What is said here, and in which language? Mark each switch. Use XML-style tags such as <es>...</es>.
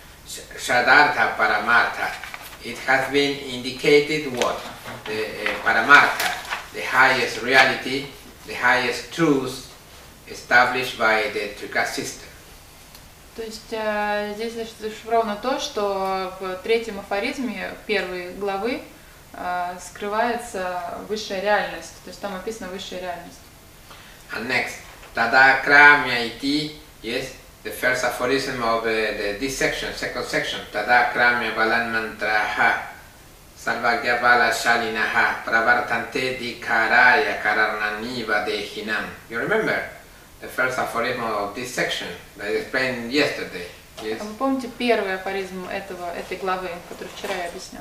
<en>Shadartha Paramartha. It has been indicated what? The Paramartha, the highest reality, the highest truth established by the Trika system.</en> <ru>То есть здесь зашифровано то, что в третьем афоризме первой главы скрывается высшая реальность. То есть там описана высшая реальность.</ru> <en>And next. Tada Kramya Iti, yes? The first aphorism of this section, second section,</en> <sa>Tada Krame Balan Mantraha, Salvagya Bala Shalinaha, Pravartante Di Karaya Kararnaniva Dehinam.</sa> <en>You remember the first aphorism of this section that I explained yesterday? Yes.</en> <ru>Вы помните первый афоризм этой главы, который вчера я объяснял?</ru>